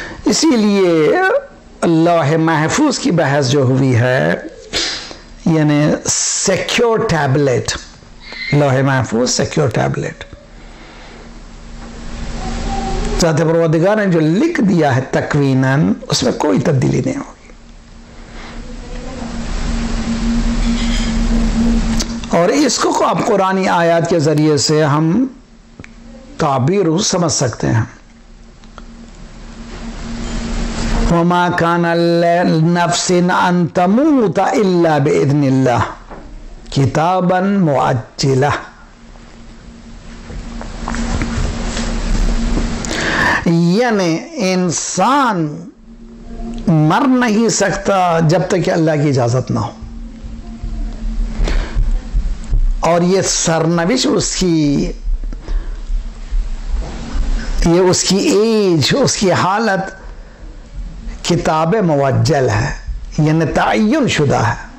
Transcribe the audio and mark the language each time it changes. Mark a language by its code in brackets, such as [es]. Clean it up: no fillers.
[ur] اسی لیے لوح محفوظ کی بحث جو ہوئی ہے, یعنی سیکیور ٹیبلٹ, لوح محفوظ سیکیور ٹیبلٹ, ذات پروردگار نے جو لکھ دیا ہے تکویناً, اس میں کوئی تبدیلی نہیں ہوگی. اور اس کو آپ قرآنی آیات کے ذریعے سے ہم تعبیر سمجھ سکتے ہیں. [ar] وما كان لنفس ان تموت الا باذن الله كتابا مؤجلا. [ur] یعنی انسان مر نہیں سکتا جب تک کہ اللہ کی اجازت نہ ہو, اور یہ سرنوشت اس کی, یہ اس کی ایج, اس کی حالت کتاب موجل ہے, یعنی تعین شدہ ہے.